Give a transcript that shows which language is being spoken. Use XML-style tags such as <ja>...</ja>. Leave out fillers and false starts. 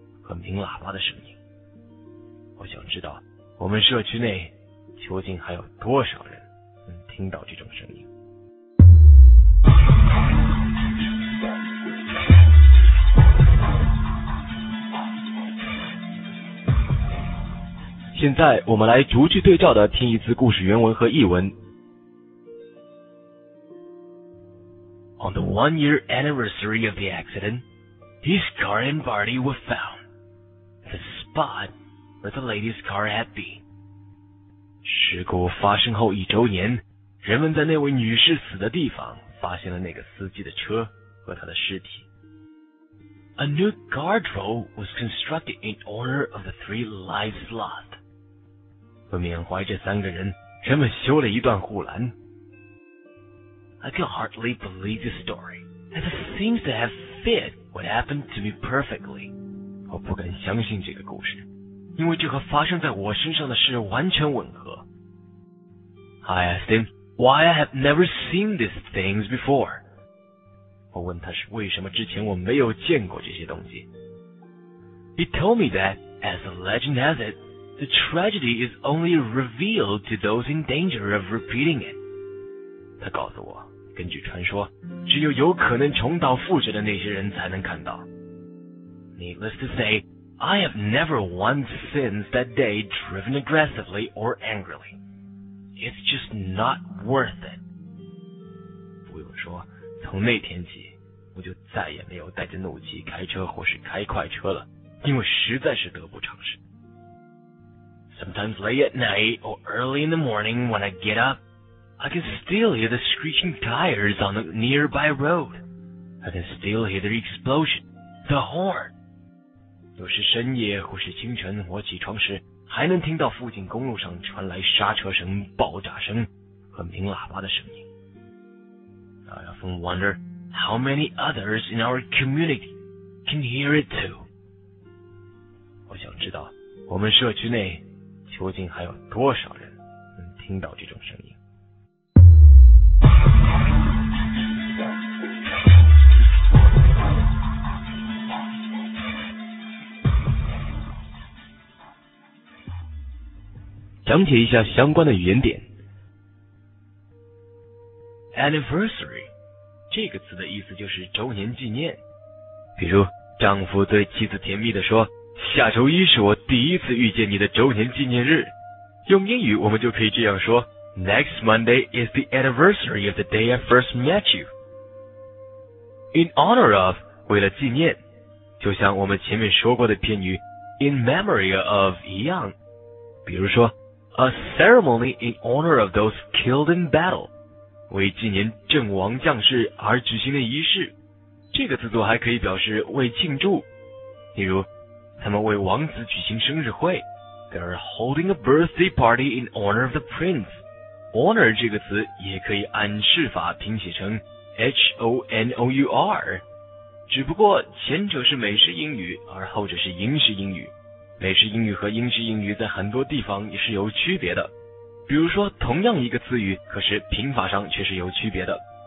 <zh>和鸣喇叭的声音，我想知道我们社区内究竟还有多少人能听到这种声音。现在我们来逐句对照的听一次故事原文和译文。</zh> <en>On the 1 year anniversary of the accident, his car and body were found. Spot where the lady's car had been.</en> <zh>事故发生后一周年，人们在那位女士死的地方发现了那个司机的车和她的尸体。</zh> <en>A new guardrail was constructed in honor of the three lives lost.</en> <zh>为缅怀这三个人，人们修了一段护栏。</zh> <en>I could hardly believe the story, as it seems to have fit what happened to me perfectly.</en> <zh>我不敢相信这个故事，因为这和发生在我身上的事完全吻合。</zh> <en>I asked him why I have never seen these things before.</en> <zh>我问他是为什么之前我没有见过这些东西。</zh> <en>He told me that, as the legend has it, the tragedy is only revealed to those in danger of repeating it.</en> <zh>他告诉我，根据传说，只有有可能重蹈覆辙的那些人才能看到。</zh> <en>Needless to say, I have never once since that day driven aggressively or angrily. It's just not worth it.</en> <zh>不用说，从那天起，我就再也没有带着怒气开车或是开快车了，因为实在是得不偿失。</zh> <en>Sometimes late at night or early in the morning when I get up, I can still hear the screeching tires on the nearby road. I can still hear the explosion, the horn.</en> <zh>有时深夜或是清晨，我起床时还能听到附近公路上传来刹车声、爆炸声和鸣喇叭的声音。</zh> <en>I often wonder how many others in our community can hear it too.</en> <zh>我想知道我们社区内究竟还有多少人能听到这种声音。详解一下相关的语言点。 Anniversary 这个词的意思就是周年纪念。比如丈夫对妻子甜蜜地说，下周一是我第一次遇见你的周年纪念日。用英语我们就可以这样说，</zh> <en>Next Monday is the anniversary of the day I first met you. In honor of,</en> <zh>为了纪念，就像我们前面说过的片语</zh> <en>in memory of</en> <zh>一样。比如说</zh> <en>A ceremony in honor of those killed in battle,</en> <zh>为纪念阵亡将士而举行的仪式。这个词组还可以表示为庆祝，例如他们为王子举行生日会，</zh> <en>They're holding a birthday party in honor of the prince.</en> <zh>Honor 这个词也可以按释法拼写成 H-O-N-O-U-R, 只不过前者是美式英语，而后者是英式英语。美式英语和英式英语在很多地方也是有区别的，比如说同样一个词语，可是拼法上却是有区别的。</zh>